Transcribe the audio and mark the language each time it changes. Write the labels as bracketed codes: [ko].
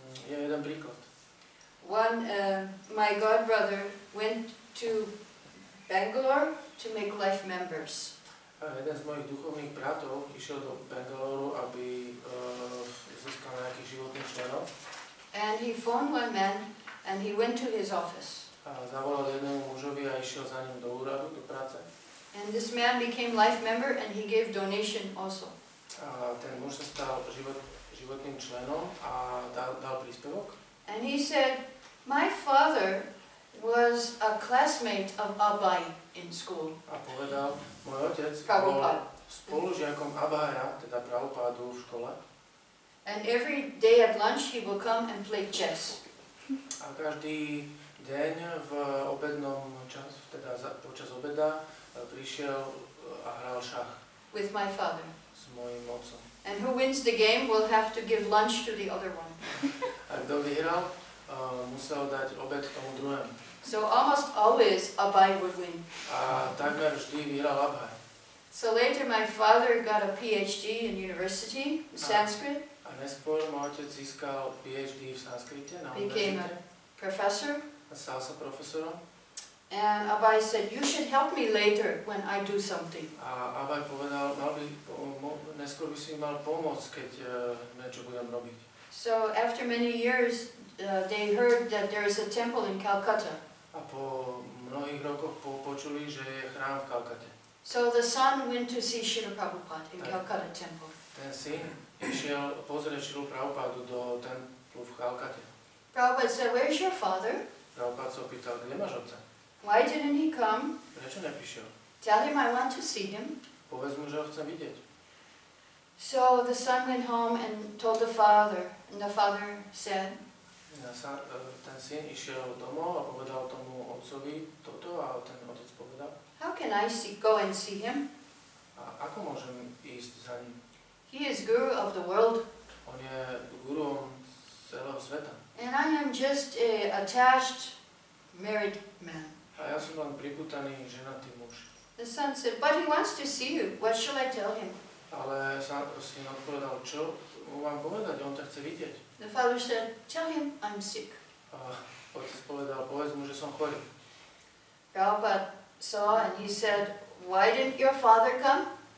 [sk] Je jeden príklad. [en] One, my godbrother went to Bangalore to make life members. [sk] Jeden z mojich duchovných bratov išiel do Bangaloru, aby získal nejaký životný členov. [en] And he phoned one man and he went to his office. [sk] A zavolal jednému mužovi a išiel za ním do úradu, do práce. [en] And this man became life member and he gave donation also. [sk] A ten muž sa stal životným členom a dal príspevok. [en] And he said, my father was a classmate of Abai in school. [sk] A povedal, môj otec bol spolužiakom Abaya, teda Prabhupádu, v škole. [en] And every day at lunch he will come and play chess. [sk] A každý deň v obednom čase, teda počas obeda, prišiel a hral šach. [en] With my father. [sk] S mojím otcom. [en] And who wins the game will have to give lunch to the other one. [sk] A kto vyhral, musel dať obed tomu druhému. [en] So almost always Abai would win. [sk] A takmer vždy vyhral Abai. [en] So later my father got a PhD in university in Sanskrit. [sk] A neskôr môj otec získal PhD v sanskrite na [en] became [sk] univerzite. [en] A professor. [sk] A stal sa profesorom. [en] And Abai said, you should help me later when I do something. [sk] A Abai povedal, neskôr by si mal pomôcť, keď niečo budem robiť. [en] So after many years, they heard that there is a temple in Calcutta. [sk] A po mnohých rokoch počuli, že je chrám v Kalkate. [en] So the son went to see Srila Prabhupada in Calcutta temple. [sk] Ten syn išiel pozrieť Srilu Prabhupadu do templu v Kalkate. [en] Prabhupada said, where is your father? [sk] Prabhupada sa opýtal, kde máš otca? [en] Why didn't he come? [sk] Prečo neprišiel? [en] Tell him I want to see him. [sk] Povedz mu, že ho chcem vidieť. [en] So the son went home and told the father, and the father said, [sk] ten syn išiel domov a povedal tomu otcovi toto a ten otec povedal, [en] how can I see, go and see him? [sk] A ako môžem ísť za ním? [en] He is guru of the world. [sk] On je guruom celého sveta. [en] And I am just a attached married man. [sk] A ja som len pripútaný ženatý muž. [en] The son said, but he wants to see you. What shall I tell him? [sk] Ale syn odpovedal, čo mu mám povedať, on ťa chce vidieť. [en] The father said, tell him I'm sick. [sk] A otec povedal, povedz mu, že som chorý. [en] Prabhupada saw and he said, why didn't your father come?